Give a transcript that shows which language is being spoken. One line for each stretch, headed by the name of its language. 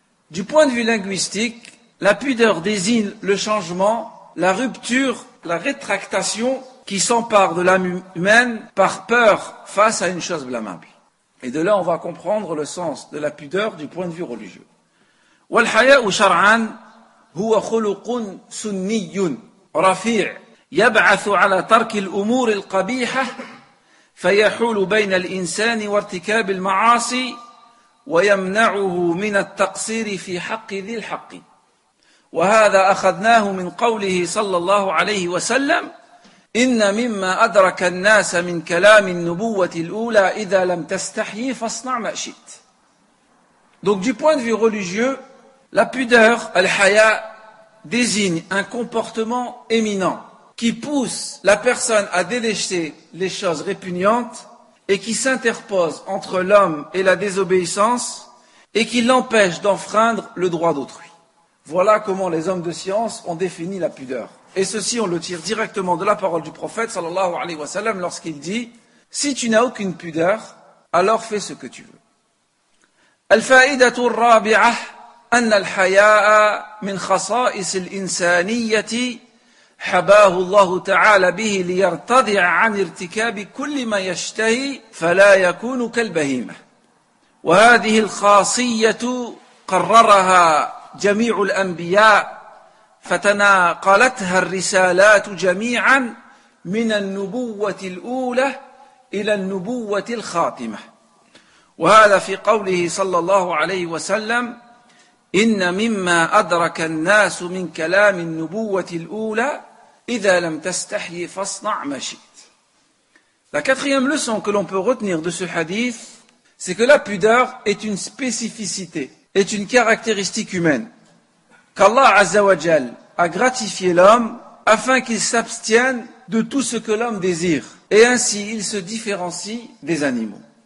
French: Du point de vue linguistique, la pudeur désigne le changement, la rupture, la rétractation qui s'empare de l'âme humaine par peur face à une chose blâmable. Et de là, on va comprendre le sens de la pudeur du point de vue religieux.
Arabic: والحياء شرعا هو خلق سني رفيع يبعث على ترك الأمور القبيحة فيحول بين الإنسان وارتكاب المعاصي ويمنعه من التقصير في حق ذي الحق. وهذا أخذناه من قوله صلى الله عليه وسلم: إن مما أدرك الناس من كلام النبوة الأولى إذا لم تستحي فاصنع ما شئت.
French: Donc du point de vue religieux, la pudeur, al-haya, désigne un comportement éminent qui pousse la personne à délaisser les choses répugnantes et qui s'interpose entre l'homme et la désobéissance et qui l'empêche d'enfreindre le droit d'autrui. Voilà comment les hommes de science ont défini la pudeur. Et ceci, on le tire directement de la parole du prophète, sallallahu alayhi wa sallam, lorsqu'il dit « Si tu n'as aucune pudeur, alors fais ce que tu veux. »
Arabic: الفائدة الرابعة أن الحياء من خصائص الإنسانية حباه الله تعالى به ليرتضع عن ارتكاب كل ما يشتهي فلا يكون كالبهيمة. وهذه الخاصية قررها جميع الأنبياء فتناقلتها الرسالات جميعا من النبوة الأولى إلى النبوة الخاتمة. وهذا في قوله صلى الله عليه وسلم: إن مما أدرك الناس من كلام النبوة الأولى إذا لم تستحي فاصنع ما شئت.
French: La quatrième leçon que l'on peut retenir de ce hadith, c'est que la pudeur est une spécificité, est une caractéristique humaine, qu'Allah Azza wa Jal a gratifié l'homme afin qu'il s'abstienne de tout ce que l'homme désire, et ainsi il se différencie des animaux.